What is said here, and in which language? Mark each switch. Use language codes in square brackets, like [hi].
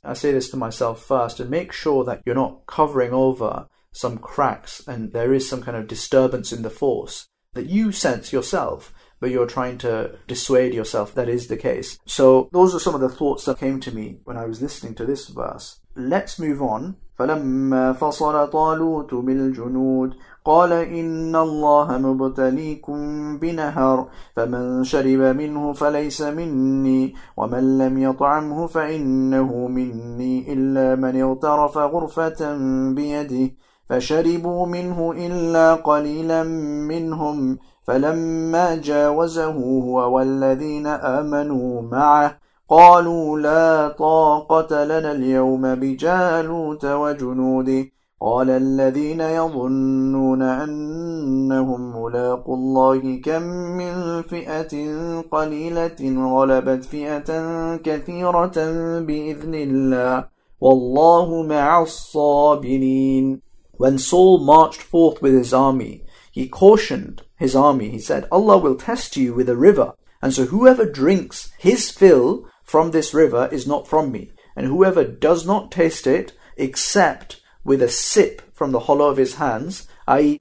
[en] I say this to myself first, and make sure that you're not covering over some cracks and there is some kind of disturbance in the force that you sense yourself, but you're trying to dissuade yourself that is the case. So those are some of the thoughts that came to me when I was listening to this verse. Let's move on. [ar] فَلَمَّا فَصَلَ طَالُوتُ بِالْجُنُودِ قَالَ إِنَّ اللَّهَ مُبْتَلِيكُمْ بِنَهَرٍ فَمَنْ شَرِبَ مِنْهُ فَلَيْسَ مِنِّي وَمَنْ لَمْ يَطْعَمْهُ فَإِنَّهُ مِنِّي إِلَّا مَنِ اغْتَرَفَ غُرْفَةً بِيَدِهِ فَشَرِبُوا مِنْهُ إِلَّا قَلِيلًا مِّنْهُمْ فَلَمَّا جَاوَزَهُ هُوَ وَالَّذِينَ آمَنُوا مَعَهُ قالوا لا طاقة لنا اليوم بجالوت وجنوده قال الذين يظنون أنهم ملاقوا الله كم من فئة قليلة غلبت فئة كثيرة بإذن الله والله مع الصابرين. [en] When Saul marched forth with his army, he cautioned his army. He said, Allah will test you with a river. And so whoever drinks his fill from this river is not from me. And whoever does not taste it, except with a sip from the hollow of his hands, i.e.